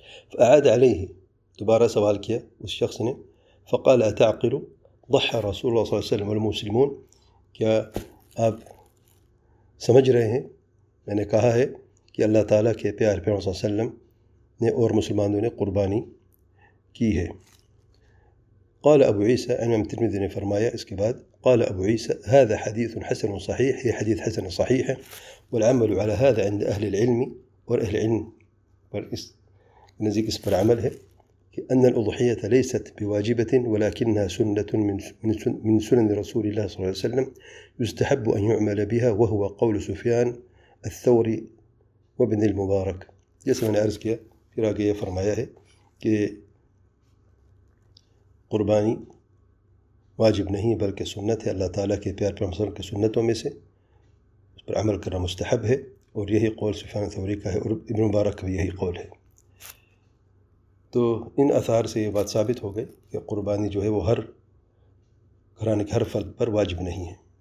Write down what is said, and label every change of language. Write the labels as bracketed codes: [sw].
[ar] فأعاد عليه, [ur] دوبارہ سوال کیا اس شخص نے. [ar] فقال اتعقل ضحى رسول الله صلى الله عليه وسلم والمسلمون, [ur] کیا آپ سمجھ رہے ہیں میں نے کہا ہے کہ اللہ تعالیٰ کے پیارے پیغمبر صلی اللہ علیہ وسلم نے اور مسلمانوں نے قربانی کی ہے. [ar] قال ابو عیسیٰ, [ur] امام ترمذی نے فرمایا اس کے بعد, [ar] قال ابو عیسیٰ هذا حدیث حسن صحیح, [ur] یہ حدیث حسن صحیح ہے. [ar] والعمل على هذا عند اهل العلم, [ur] اور اہل علم پر اس نزدیک اس پر عمل ہے کہ [ar] ان الاضحية ليست بواجبة ولكنها سنة من سنن رسول الله صلى الله عليه وسلم يستحب ان يعمل بها وهو قول سفيان الثوري وابن المبارك. [ur] جیسا میں نے عرض کیا پھر آگے یہ فرمایا ہے کہ قربانی واجب نہیں بلکہ سنت ہے اللہ تعالیٰ کے پیار پیغمبر صلی اللہ علیہ وسلم کی سنتوں میں سے, اس پر عمل کرنا مستحب ہے. اور یہی قول سفیان الثوری کا ہے اور ابن مبارک کا بھی یہی قول ہے. تو ان اثار سے یہ بات ثابت ہو گئی کہ قربانی جو ہے وہ ہر گھرانے کے ہر فرد پر واجب نہیں ہے.